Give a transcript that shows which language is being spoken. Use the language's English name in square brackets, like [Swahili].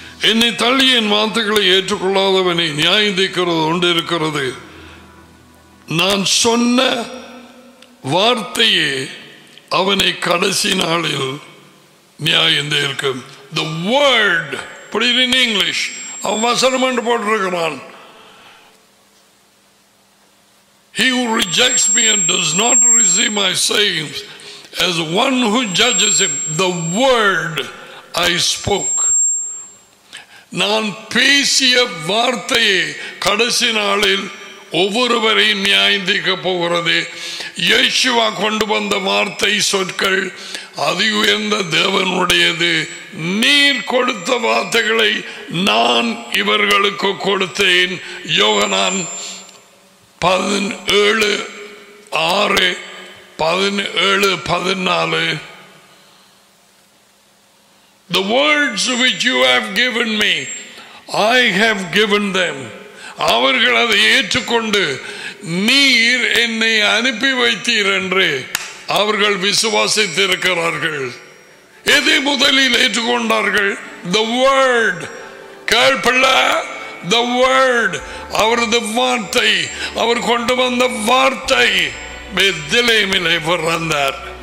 [Tamil] என்னை தள்ளி என் வார்த்தைகளை ஏற்றுக்கொள்ளாதவனை நியாயம் தீர்க்கிறது உண்டு இருக்கிறது. நான் சொன்ன வார்த்தையே அவனை கடைசி நாளில் நியாயம் தீர்க்கும். [English] The word, put it in English, [Tamil] அவன் வசனம் என்று போட்டிருக்கிறான். [English] He who rejects me and does not receive my sayings as one who judges him, the word I spoke. [Tamil] நான் பேசிய வார்த்தையே கடைசி நாளில் ஒவ்வொருவரையும் நியாயம் தீர்க்கப் போகிறது. யேசுவா கொண்டு வந்த வார்த்தை சொற்கள் அதி உயர்ந்த தேவனுடையது. நீர் கொடுத்த வார்த்தைகளை நான் இவர்களுக்கு கொடுத்தேன். யோகனான் 17:6-14. [English] The words which you have given me, I have given them. [Tamil] அவர்கள் அதை ஏற்றுக்கொண்டு நீர் என்னை அனுப்பி வைத்தீர் என்று அவர்கள் விசுவாசித்திருக்கிறார்கள். எதை முதலில் ஏற்றுக்கொண்டார்கள்? [English] The word. [Tamil] கேள்பல்ல, [English] the word. [Tamil] அவரது வார்த்தை, அவர் கொண்டு வந்த வார்த்தை. பெத்லேமிலே பிறந்தார்.